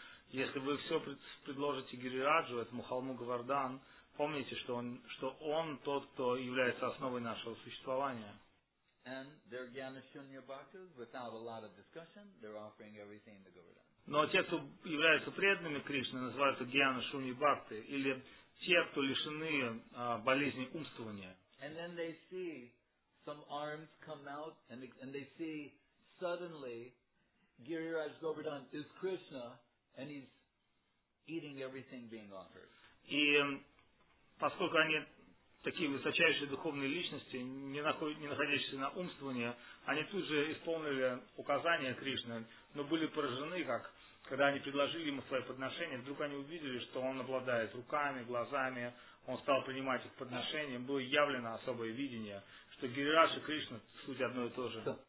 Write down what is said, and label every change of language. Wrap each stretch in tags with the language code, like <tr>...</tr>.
<ru>Если вы все предложите Гирираджу, этому холму Говардан, помните, что он тот, кто является основой нашего существования.</ru> <en>And they're Gyanashunya Bhaktas, without a lot of discussion, they're offering everything to Govardhan.</en> <ru>Но те, кто являются преданными Кришны, называются Гьянашуни Бхакты, или те, кто лишены болезни умствования.</ru> <en>And then they see some arms come out, and they see suddenly Giriraj Govardhan is Krishna, and he's eating everything being offered.</en> <ru>И поскольку они такие высочайшие духовные личности, не находящиеся на умствовании, они тут же исполнили указания Кришны, но были поражены, как когда они предложили ему свои подношения, вдруг они увидели, что он обладает руками, глазами, он стал принимать их подношения, было явлено особое видение, что Гирираш и Кришна суть одно и то же.</ru>